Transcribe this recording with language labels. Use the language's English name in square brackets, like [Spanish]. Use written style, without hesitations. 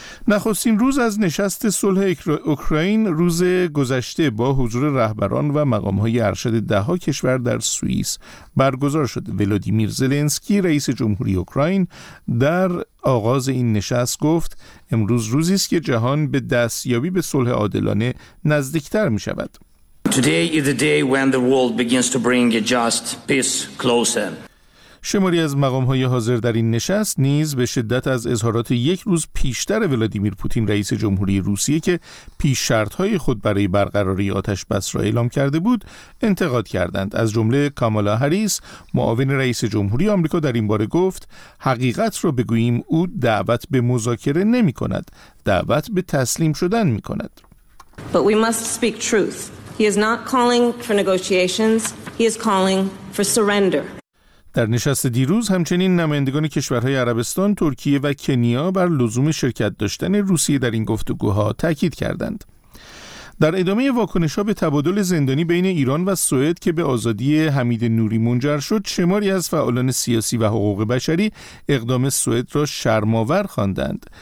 [Persian] نخستین روز از نشست صلح اوکراین روز گذشته با حضور رهبران و مقام‌های ارشد 10 کشور در سوئیس برگزار شد. ولادیمیر زلنسکی رئیس جمهوری اوکراین در آغاز این نشست گفت: امروز روزی است که جهان به دستیابی به صلح عادلانه نزدیکتر می‌شود. [English] Today is the day when the world begins to bring a just peace closer. [Persian] شماری از مقام‌های حاضر در این نشست نیز به شدت از اظهارات یک روز پیشتر ولادیمیر پوتین رئیس جمهوری روسیه که پیش شرط‌های خود برای برقراری آتش بس را اعلام کرده بود انتقاد کردند. از جمله کامالا هریس معاون رئیس جمهوری آمریکا در این باره گفت: حقیقت را بگوییم، او دعوت به مذاکره نمی‌کند، دعوت به تسلیم شدن می‌کند. [English] But we must speak truth. He is not calling for negotiations. He is calling for surrender. [Persian] در نشست دیروز همچنین نمایندگان کشورهای عربستان، ترکیه و کنیا بر لزوم شرکت داشتن روسیه در این گفتگوها تاکید کردند. در ادامه واکنش‌ها به تبادل زندانی بین ایران و سوئد که به آزادی حمید نوری منجر شد، شماری از فعالان سیاسی و حقوق بشری اقدام سوئد را شرم‌آور خواندند.